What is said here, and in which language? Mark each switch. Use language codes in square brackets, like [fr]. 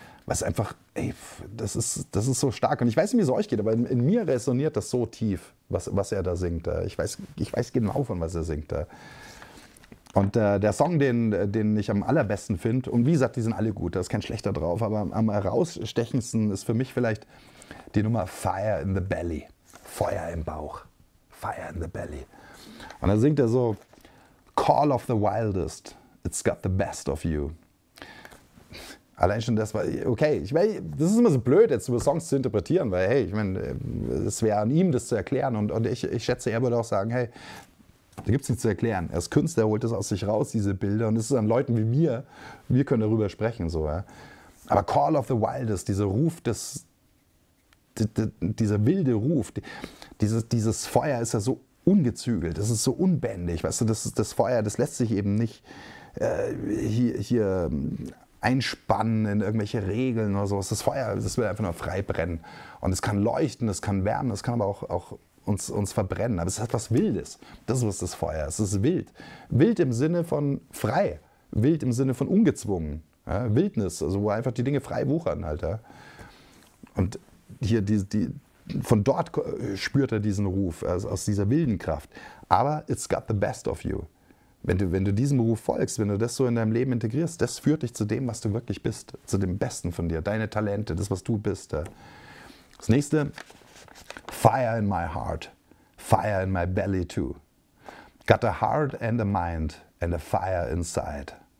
[de] Was einfach, ey, das ist so stark. Und ich weiß nicht, wie es euch geht, aber in mir resoniert das so tief, was er da singt. Ich weiß genau, von was er singt. Und der Song, den ich am allerbesten finde, und wie gesagt, die sind alle gut, da ist kein schlechter drauf, aber am herausstechendsten ist für mich vielleicht die Nummer Fire in the Belly. Feuer im Bauch. Fire in the Belly. Und da singt er so, [en] Call of the Wildest, it's got the best of you. [de] Allein schon das war, okay, ich meine, das ist immer so blöd, jetzt über Songs zu interpretieren, weil, hey, ich meine, es wäre an ihm, das zu erklären. Und ich schätze, er würde auch sagen, hey, da gibt es nichts zu erklären. Er ist Künstler, er holt das aus sich raus, diese Bilder. Und es ist an Leuten wie mir, wir können darüber sprechen. So, ja. Aber Call of the Wildest, dieser Ruf, dieser wilde Ruf, dieses Feuer ist ja so ungezügelt, das ist so unbändig, weißt du, das Feuer, das lässt sich eben nicht hier einspannen in irgendwelche Regeln oder sowas. Das Feuer, das will einfach nur frei brennen. Und es kann leuchten, es kann wärmen, es kann aber auch uns verbrennen. Aber es ist etwas Wildes. Das ist was das Feuer. Es ist wild. Wild im Sinne von frei. Wild im Sinne von ungezwungen. Ja, Wildnis, also wo einfach die Dinge frei wuchern, Alter. Und hier von dort spürt er diesen Ruf, also aus dieser wilden Kraft. Aber [en] it's got the best of you. [de] Wenn du diesem Ruf folgst, wenn du das so in deinem Leben integrierst, das führt dich zu dem, was du wirklich bist, zu dem Besten von dir, deine Talente, das, was du bist. Das nächste, [en] fire in my heart, fire in my belly too. Got a heart and a mind and a fire inside.